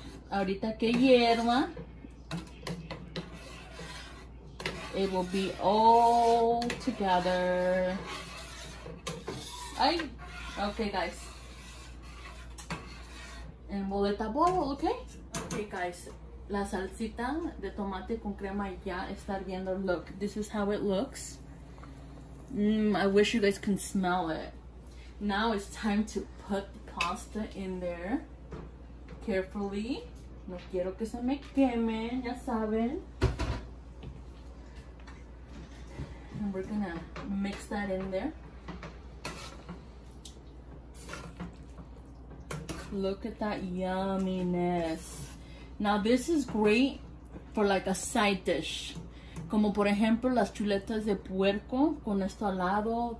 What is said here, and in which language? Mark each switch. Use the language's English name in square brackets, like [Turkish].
[English] Ahorita que hierva, it will be all together. Ay, okay guys. And we'll let that boil, okay? [Spanish] Okay guys, la salsita de tomate con crema ya está hirviendo. [English] Look, this is how it looks. I wish you guys can smell it. Now it's time to put the pasta in there carefully. [Spanish] No quiero que se me queme, ya saben. [English] And we're gonna mix that in there. Look at that yumminess. Now this is great for like a side dish. [Spanish] Como por ejemplo las chuletas de puerco con esto al lado.